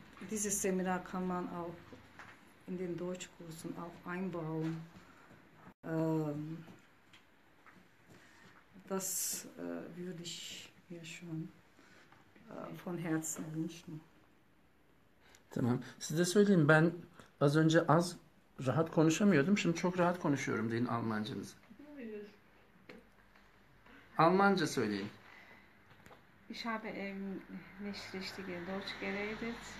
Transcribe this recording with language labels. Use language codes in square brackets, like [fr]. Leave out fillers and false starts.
[de] Dieses Seminar kann man auch in den Deutschkursen auch einbauen. Das würde ich mir schon von Herzen wünschen. [tr] Tamam. Size söyleyeyim, ben az önce az rahat konuşamıyordum. Şimdi çok rahat konuşuyorum, deyin Almancanızı. Almanca söyleyin. [de] Ich habe nicht richtig Deutsch geredet.